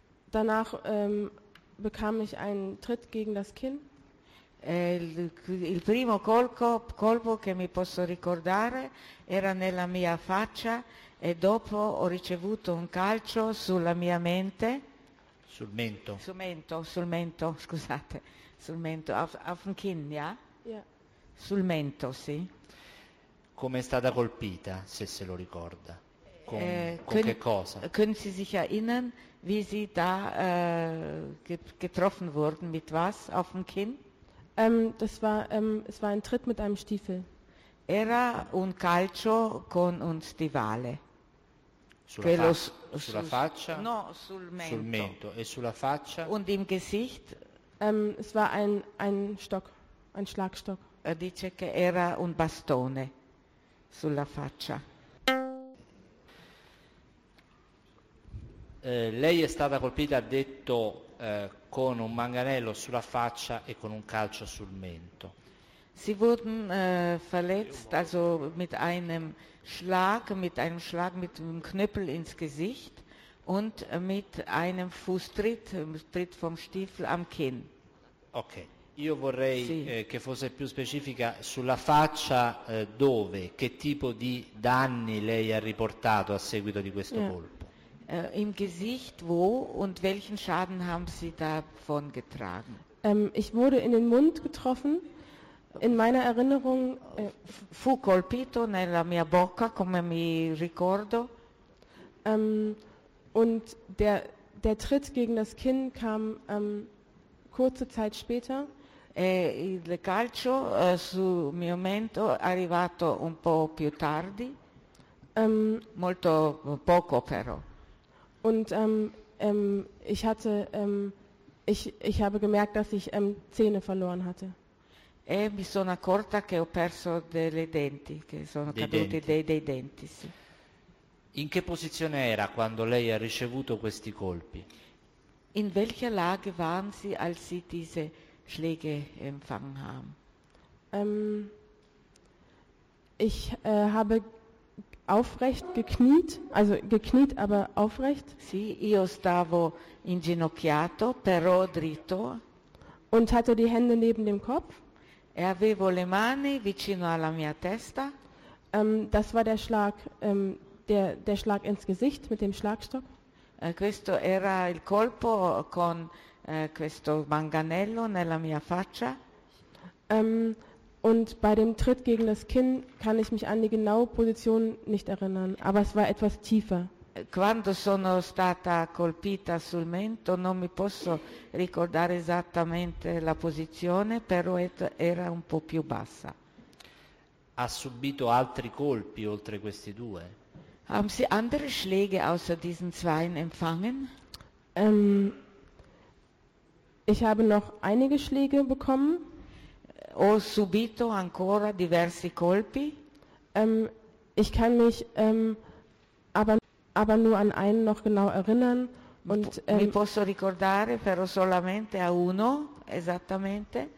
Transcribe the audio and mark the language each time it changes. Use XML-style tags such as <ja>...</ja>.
<de>Danach bekam ich einen Tritt gegen das Kinn.</de> <it>Il primo colpo che mi posso ricordare era nella mia faccia e dopo ho ricevuto un calcio sulla mia mente. Sul mento. Sul mento,</it> <de>auf dem Kinn, ja? Ja.</de> <it>Sul mento, sì. Come è stata colpita, se lo ricorda? Con che cosa?</it> <de>Können Sie sich erinnern, wie Sie da getroffen wurden, mit was auf dem Kinn? Es war ein Tritt mit einem Stiefel.</de> <it>Era un calcio con un stivale. Sulla faccia? No, sul mento. Sul mento e sulla faccia?</it> <de>Und im Gesicht? Es war ein Stock, ein Schlagstock.</de> <it>Dice che era un bastone sulla faccia. Lei è stata colpita, ha detto, con un manganello sulla faccia e con un calcio sul mento.</it> <de>Sie wurden verletzt, also mit einem Schlag mit einem Knüppel ins Gesicht und mit einem Fußtritt, Tritt vom Stiefel am Kinn.</de> <it>Okay. Io vorrei sì. Che fosse più specifica sulla faccia dove, che tipo di danni lei ha riportato a seguito di questo colpo.</it> <de>Im Gesicht wo und welchen Schaden haben Sie davon getragen? Ich wurde in den Mund getroffen. In meiner Erinnerung</de> <it>fu colpito nella mia bocca, come mi ricordo.</it> <de>Und der Tritt gegen das Kinn kam kurze Zeit später.</de> <it>E il calcio sul mio mento è arrivato un po' più tardi, molto poco però.</it> <de>Und ich hatte ich habe gemerkt, dass ich Zähne verloren hatte.</de> <it>E mi sono accorta che ho perso delle denti, che sono caduti dei denti, sì. In che posizione era quando lei ha ricevuto questi colpi?</it> <de>In welcher Lage waren Sie, als Sie diese Schläge empfangen haben? Ich habe aufrecht gekniet, also gekniet, aber aufrecht.</de> <it>Sì, io stavo inginocchiato, però dritto.</it> <de>Und hatte die Hände neben dem Kopf.</de> <it>E avevo le mani vicino alla mia testa.</it> <de>Das war der Schlag, der Schlag ins Gesicht mit dem Schlagstock.</de> <it>Questo era il colpo con questo manganello nella mia faccia.</it> <de>Und bei dem Tritt gegen das Kinn kann ich mich an die genaue Position nicht erinnern, aber es war etwas tiefer.</de> <it>Quando sono stata colpita sul mento non mi posso ricordare esattamente la posizione, però era un po' più bassa. Ha subito altri colpi oltre questi due?</it> <de>Haben Sie andere Schläge außer diesen zweien empfangen? Ich habe noch einige Schläge bekommen.</de> <it>Ho subito ancora diversi colpi.</it> <de>Ich kann mich aber nur an einen noch genau erinnern. Und,</de> <it>mi posso ricordare però solamente a uno, esattamente.</it>